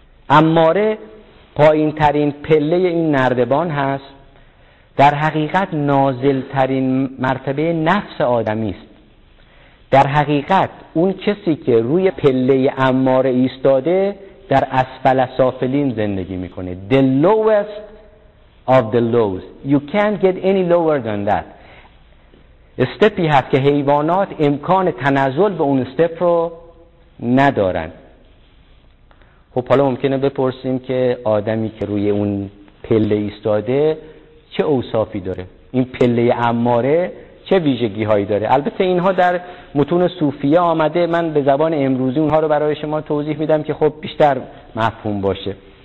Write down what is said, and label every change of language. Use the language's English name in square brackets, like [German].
[Persian] اماره پایین ترین پله این نردبان هست. در حقیقت نازلترین مرتبه نفس آدمی است. در حقیقت اون کسی که روی پله اماره ایستاده در اسفل سافلین زندگی میکنه. [English] The lowest of the lows. You can't get any lower than that. [Persian] استپی هست که حیوانات امکان تنزل به اون استپ رو ندارن. خب حالا ممکنه بپرسیم که آدمی که روی اون پله ایستاده چه اوصافی داره؟ این پله اماره چه ویژگی هایی داره؟ البته اینها در متون صوفیه آمده، من به زبان امروزی اونها رو برای شما توضیح میدم که خب بیشتر مفهوم باشه.